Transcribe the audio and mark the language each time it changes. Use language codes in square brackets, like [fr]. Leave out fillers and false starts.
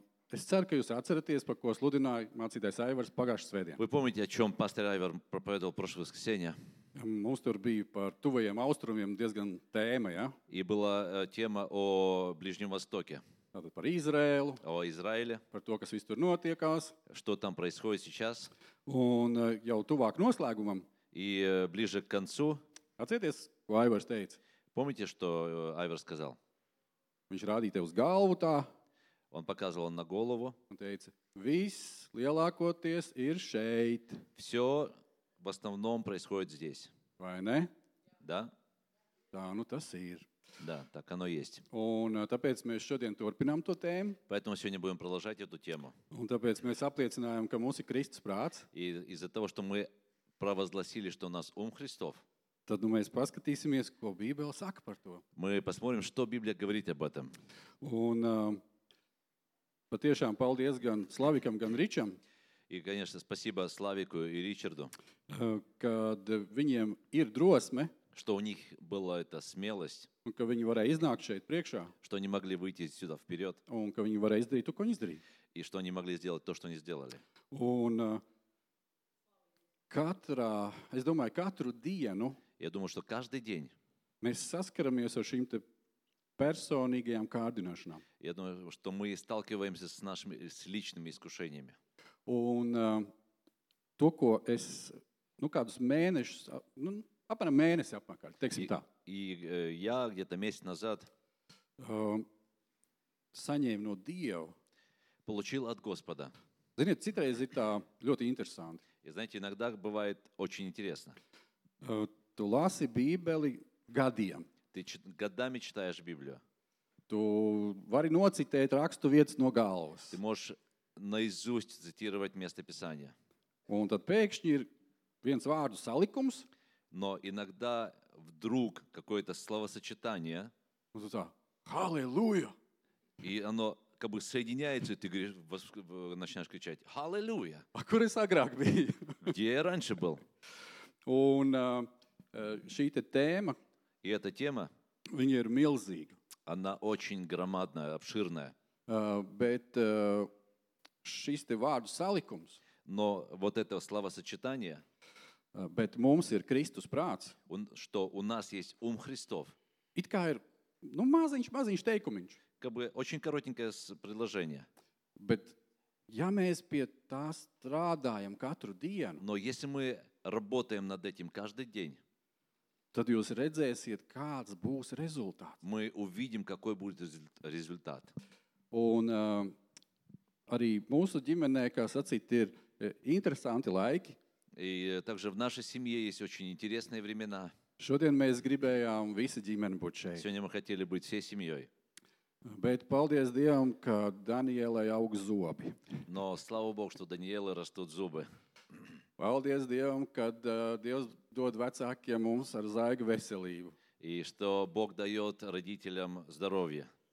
[lv] Es ceru, ka jūs atceraties, par ko sludināju mācītājs Aivars pagājušā svētdienā. [ru] Вы помните, о чём пастор Айвар проповедовал прошлое воскресенье? [lv] Mums tur bija par tuvajiem austrumiem diezgan tēma, ja? [ru] И была тема о Ближнем Востоке. [lv] Tātad par Izraēlu. [ru] О Израиле. [lv] Par to, kas viss tur notiekās. [ru] Что там происходит сейчас. [lv] Un jau tuvāk noslēgumam. [ru] И ближе к концу. [lv] Atcerieties, ko Aivars teica. [ru] Помните, что Айвар сказал? [lv] Viņš rādīja tev uz galvu tā. [ru] Он показывал на голову. [lv] Un teica, viss lielākoties ir šeit. [ru] Все в основном происходит здесь. [lv] Vai ne? [ru] Да. [lv] Tā, nu tas ir. [ru] Да, так оно есть. [lv] Un tāpēc mēs šodien turpinām to tēmu. [ru] Поэтому сегодня будем продолжать эту тему. [lv] Un tāpēc mēs apliecinājām, ka mums ir Kristus prāts. [ru] И из-за того, что мы провозгласили, что у нас ум Христов. [lv] Tad nu, mēs paskatīsimies, ko Bībele saka par to. [ru] Мы посмотрим, что Библия говорит об этом. [lv] Un patiešām paldies gan Slavikam, gan Ričam. [ru] И, конечно, спасибо Славику и Ричарду. [lv] Kad viņiem ir drosme, [ru] что у них была эта смелость. [lv] Un ka viņi varēja iznākt šeit priekšā. [ru] Что они могли выйти сюда вперед. [lv] Un ka viņi varēja izdarīt to, ko viņi izdarīja. [ru] И что они могли сделать то, что они сделали. [lv] Un katrā, es domāju, katru dienu. [ru] Я думаю, что каждый день. [lv] Mēs saskaramies ar šīm te personīgajām kārdināšanām. [ru] Я думаю, что мы сталкиваемся с нашими с личными искушениями. [lv] Un to, ko es, nu, kādus mēnešus, nu, apmēram mēnesi apmēkāļ, teiksim tā. [ru] Ja, где-то месяц назад. [lv] Saņēmu no Dieva. [ru] Получил от Господа. [lv] Ziniet, citreiz ir tā ļoti interesanti. [ru] И, знаете, иногда бывает очень интересно. [lv] Tu lasi Bībeli gadiem. [ru] Ты годами читаешь Библию. [lv] Tu vari nocitēt rakstu vietas no galvas. [ru] Ты можешь наизусть цитировать место писания. [lv] Un tad pēkšņi ir viens vārdu salikums, [ru] но иногда вдруг какое-то словосочетание. Вот это. Аллилуйя. И оно как бы соединяется, и ты говоришь, начинаешь кричать: "Аллилуйя!" А куда я саграк был? Где я раньше был? [lv] Un šī te tēma, [ru] и эта тема, [lv] viņa ir milzīga. [ru] Она очень громадная, обширная. [lv] Bet šis te vārdu salikums. [ru] Но вот это словосочетание. [lv] Bet mums ir Kristus prāts. [ru] Un что у нас есть ум Христов. [lv] It kā ir, nu, maziņš teikumiņš. [ru] Как бы очень коротенькое предложение. [lv] Bet ja mēs pie tā strādājam katru dienu. [ru] Но если мы работаем над этим каждый день. [lv] Tad jūs redzēsiet, kāds būs rezultāts. [ru] Мы увидим, какой будет результат. [lv] Un arī mūsu ģimenē, kā sacīt, ir interesanti laiki. [ru] И также в нашей семье есть очень интересные времена. [lv] Šodien mēs gribējām visa ģimene būt šeit. [ru] Сегодня мы хотели быть всей семьёй. [lv] Bet paldies Dievam, ka Danielai aug zobi. [ru] Но слава Богу, что Даниэле растут зубы. [lv] Paldies Dievam, kad Dievs dod vecākiem mums ar zaigu veselību. [ru] И что Бог даёт родителям здоровье.